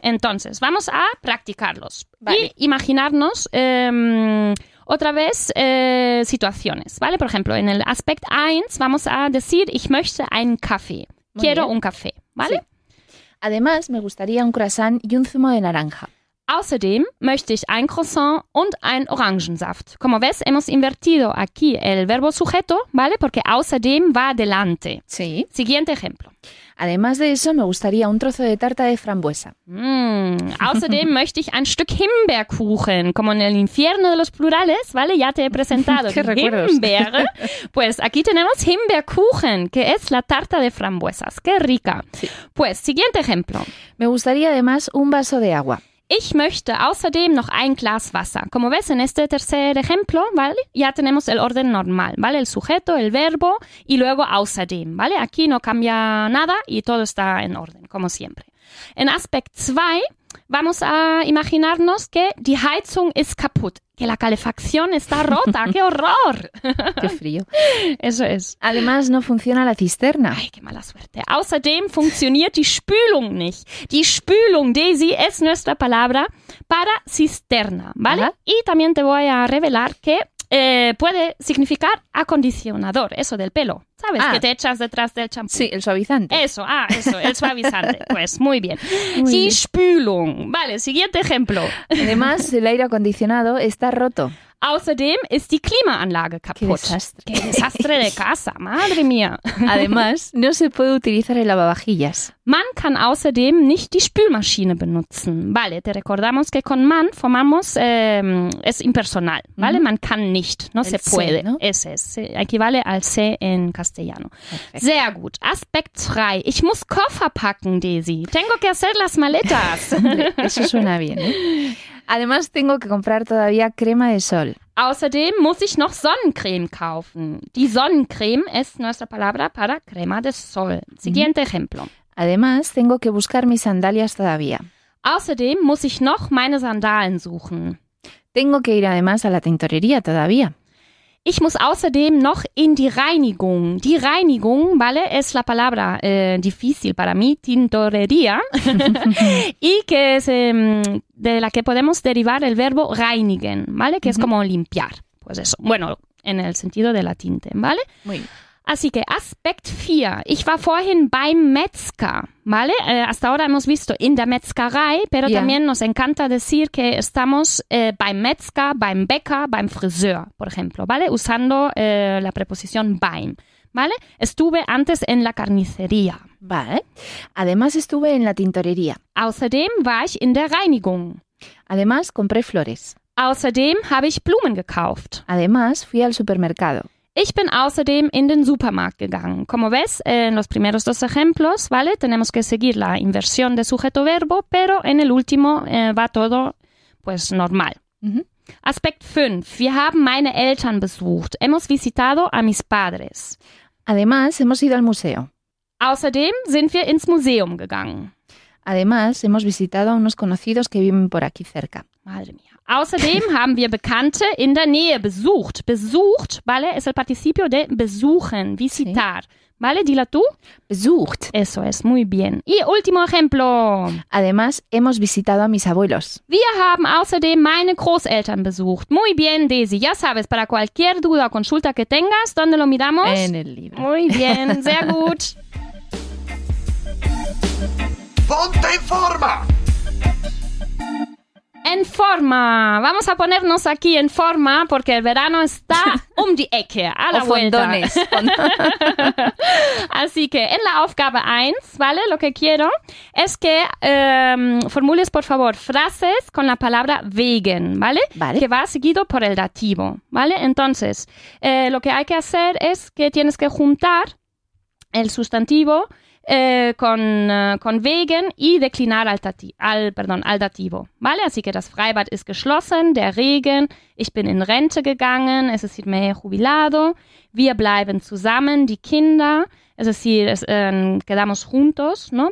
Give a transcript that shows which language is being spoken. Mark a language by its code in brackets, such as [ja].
[es] Entonces, vamos a practicarlos. Vale. Y imaginarnos... otra vez, situaciones, ¿vale? Por ejemplo, en el aspect 1 vamos a decir, [de] ich möchte einen Kaffee. [es] Quiero un café, ¿vale? Sí. Además, me gustaría un croissant y un zumo de naranja. [de] Außerdem möchte ich ein croissant und ein Orangensaft. [es] Como ves, hemos invertido aquí el verbo sujeto, ¿vale? Porque außerdem va delante. Sí. Siguiente ejemplo. Además de eso, me gustaría un trozo de tarta de frambuesa. [de] Außerdem möchte ich ein Stück Himbeerkuchen. [es] Como en el infierno de los plurales, ¿vale? Ya te he presentado. ¿Qué recuerdos? [de] Himbeere. [es] Pues aquí tenemos Himbeerkuchen, que es la tarta de frambuesas. ¡Qué rica! Sí. Pues, siguiente ejemplo. Me gustaría además un vaso de agua. [de] Ich möchte außerdem noch ein Glas Wasser. [es] Como ves, en este tercer ejemplo, ¿vale? Ya tenemos el orden normal, ¿vale? El sujeto, el verbo y luego außerdem, ¿vale? Aquí no cambia nada y todo está en orden, como siempre. En aspect 2 vamos a imaginarnos que [de] die Heizung ist kaputt. [es] Que la calefacción está rota. ¡Qué horror! ¡Qué frío! Eso es. Además, no funciona la cisterna. ¡Ay, qué mala suerte! [de] Außerdem funktioniert die Spülung nicht. [es] Die Spülung, Desi, es nuestra palabra para cisterna, ¿vale? Ajá. Y también te voy a revelar que puede significar acondicionador, eso del pelo. ¿Sabes? Ah. Que te echas detrás del champú. Sí, el suavizante. Eso, el suavizante. Pues, muy bien. Muy [de] die [es] bien. [de] Spülung. [es] Vale, siguiente ejemplo. Además, el aire acondicionado está roto. [de] Außerdem ist die Klimaanlage kaputt. [es] Qué desastre. Qué desastre de casa, madre mía. Además, no se puede utilizar el lavavajillas. [de] Man kann außerdem nicht die Spülmaschine benutzen. [es] Vale, te recordamos que con man formamos es impersonal. Vale, man kann nicht, no el se puede. C, ¿no? Es es. Equivale al C en castellano. Perfecto. [de] Sehr gut. Aspekt 3. Ich muss Koffer packen, Desi. [es] Tengo que hacer las maletas. Eso suena bien, ¿eh? Además, tengo que comprar todavía crema de sol. [de] Außerdem muss ich noch Sonnencreme kaufen. [es] Die Sonnencreme es nuestra palabra para crema de sol. Siguiente ejemplo. Además, tengo que buscar mis sandalias todavía. [de] Außerdem muss ich noch meine Sandalen suchen. [es] Tengo que ir además a la tintorería todavía. [de] Ich muss außerdem noch in die Reinigung. [es] Die Reinigung, vale, es la palabra difícil para mí, tintorería. Y que es de la que podemos derivar el verbo reinigen, vale, que es como limpiar. Pues eso, bueno, en el sentido de la tinte, vale. Muy bien. Así que, Aspekt 4. [de] Ich war vorhin beim Metzger, ¿vale? [es] Hasta ahora hemos visto in der Metzgerei, pero también nos encanta decir que estamos beim Metzger, beim Bäcker, beim Friseur, por ejemplo, ¿vale? Usando la preposición beim, ¿vale? Estuve antes en la carnicería. Vale. Además, estuve en la tintorería. [de] Außerdem war ich in der Reinigung. [es] Además, compré flores. [de] Außerdem habe ich Blumen gekauft. [es] Además, fui al supermercado. [de] Ich bin außerdem in den Supermarkt gegangen. [es] Como ves, en los primeros dos ejemplos, ¿vale? Tenemos que seguir la inversión de sujeto-verbo, pero en el último va todo, pues, normal. Uh-huh. [de] Aspekt 5. Wir haben meine Eltern besucht. [es] Hemos visitado a mis padres. Además, hemos ido al museo. [de] Außerdem sind wir ins Museum gegangen. [es] Además, hemos visitado a unos conocidos que viven por aquí cerca. Madre mía. [de] Außerdem haben wir Bekannte in der Nähe besucht. [es] Besucht, ¿vale? Es el participio de besuchen, visitar. Sí. ¿Vale? Dila tú. [de] Besucht. [es] Eso es, muy bien. Y último ejemplo. Además, hemos visitado a mis abuelos. [de] Wir haben außerdem meine Großeltern besucht. [es] Muy bien, Daisy. Ya sabes, para cualquier duda o consulta que tengas, ¿dónde lo miramos? En el libro. Muy bien, [de] sehr gut. [es] ¡Ponte en forma! En forma. Vamos a ponernos aquí en forma porque el verano está [de] um die Ecke, [es] a la vuelta. Así que en la Aufgabe 1, ¿vale? Lo que quiero es que formules, por favor, frases con la palabra wegen, ¿vale? Vale. Que va seguido por el dativo, ¿vale? Entonces, lo que hay que hacer es que tienes que juntar el sustantivo con wegen y declinar al dativo, ¿vale? Así que [de] das Freibad ist geschlossen, der Regen, ich bin in Rente gegangen, es ist me jubilado, wir bleiben zusammen, die Kinder, es ist hier, [es] quedamos juntos, ¿no?